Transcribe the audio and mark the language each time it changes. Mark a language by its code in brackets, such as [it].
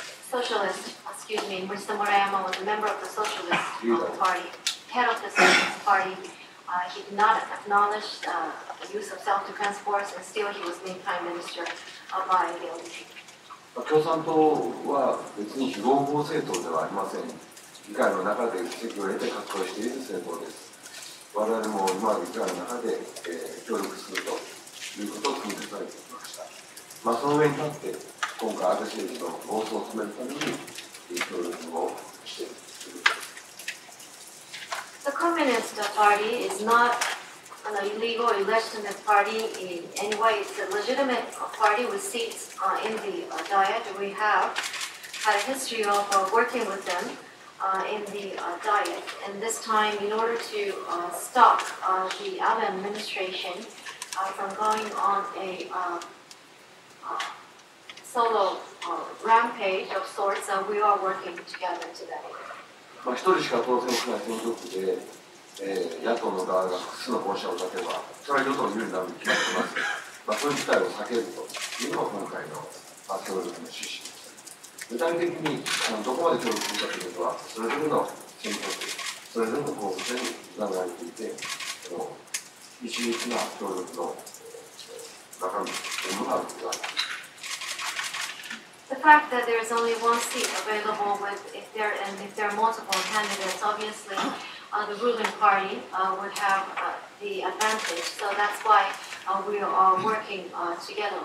[en] Socialist, excuse me, Mr. Murayama was a member of the Socialist Party, head of the Socialist Party. He did not acknowledge the use of self-defense force, and still he was made prime minister by the LDP. [ja] 共産党は別に非合法政党ではありません。議会の中で席を得て活動している政党です。我々も今の議会の中で、協力するということを組み立てていました。その上に立って、今回安倍政治の暴走を止めるために、協力をしているということです。 [en] The Communist Party is not an illegal illegitimate party in any way. It's a legitimate party with seats in the Diet. We have had a history of working with them in the Diet. And this time, in order to stop the Abe administration from going on a solo rampage of sorts, we are working together today. [ja] 1人しか当選しない選挙区で野党の側が複数の候補者を立てば、それは与党の有利になるに決まっています。そういう事態を避けるというのが今回の協力の趣旨です。具体的にどこまで協力するかというのは、それぞれの選挙区、それぞれの候補者に委ねられていて、一律な協力の中身というのがあるというわけです。 [en] The fact that there is only one seat available, if there are multiple candidates, obviously the ruling party would have the advantage. So that's why we are working together.